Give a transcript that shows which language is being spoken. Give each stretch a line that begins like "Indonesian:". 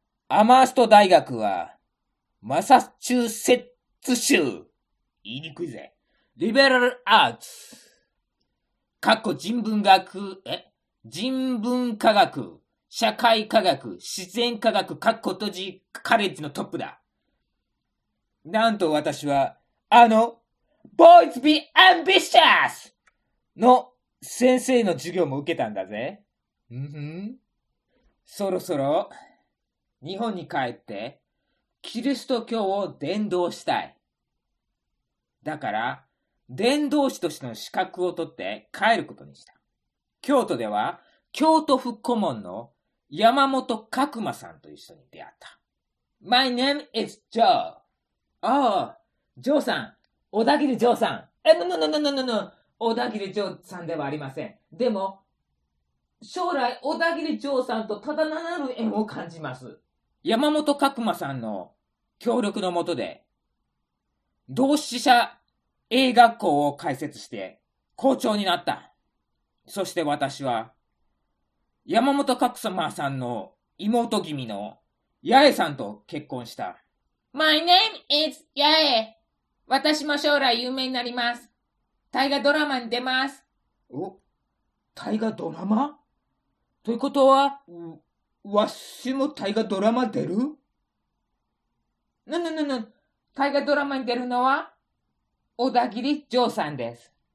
Japanese: アマースト大学はマサチューセッツ州。言いにくいぜ。リベラルアーツ。かっこ人文科学。社会科学、自然科学、カッコ閉じカレッジのトップだ。
English: なんと私は、Boys be ambitious!
Japanese: の先生の授業も受けたんだぜ。そろそろ、日本に帰って、キリスト教を伝道したい。だから、伝道師としての資格を取って帰ることにした。京都では、京都府顧問の山本角馬さんと一緒に出会った。
English: My name is Joe.
Japanese: Oh, ジョーさん。小田切ジョーさん。
English: え、no, no, no, no, no, no, no.
Japanese: 小田切ジョーさんではありません。でも、将来小田切ジョーさんとただならぬ縁を感じます。山本角馬さんの協力のもとで、同志社A学校を開設して校長になった。そして私は、山本角馬さんの妹君の八重さんと結婚した。
English: My name is 八重。
Japanese: 私も将来有名になります。大河ドラマに出ます。お、大河ドラマ？ということは、わしも大河ドラマ出る？ぬぬぬぬ、大河ドラマに出るのは、小田切ジョーさんです。